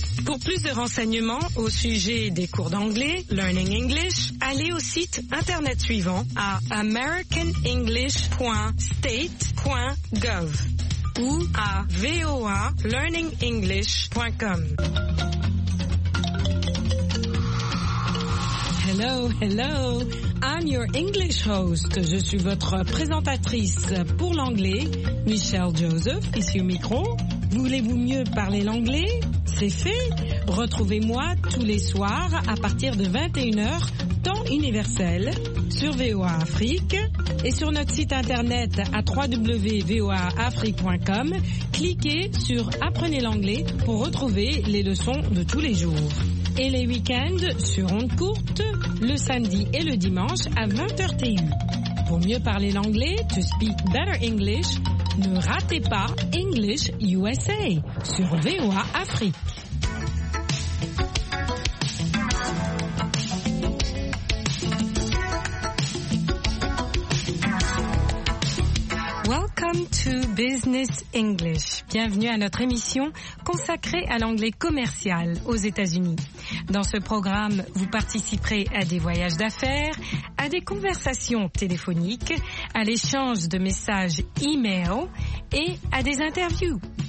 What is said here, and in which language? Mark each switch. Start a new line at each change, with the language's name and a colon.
French: Pour plus de renseignements au sujet des cours d'anglais Learning English, allez au site internet suivant à americanenglish.state.gov ou à voalearningenglish.com.
English: Hello, I'm your English host.
French: Je suis votre présentatrice pour l'anglais, Michelle Joseph, ici au micro. Voulez-vous mieux parler l'anglais? C'est fait. Retrouvez-moi tous les soirs à partir de 21h, temps universel, sur VOA Afrique et sur notre site internet à www.voaafrique.com. Cliquez sur Apprenez l'anglais pour retrouver les leçons de tous les jours. Et les week-ends sur ondes courtes, le samedi et le dimanche à 20h TU. Pour mieux parler l'anglais,
English: to speak better English,
French: ne ratez pas English USA sur VOA Afrique.
English: Welcome to Business English.
French: Bienvenue à notre émission consacrée à l'anglais commercial aux États-Unis. Dans ce programme, vous participerez à des voyages d'affaires, à des conversations téléphoniques, à l'échange de messages e-mail et à des interviews.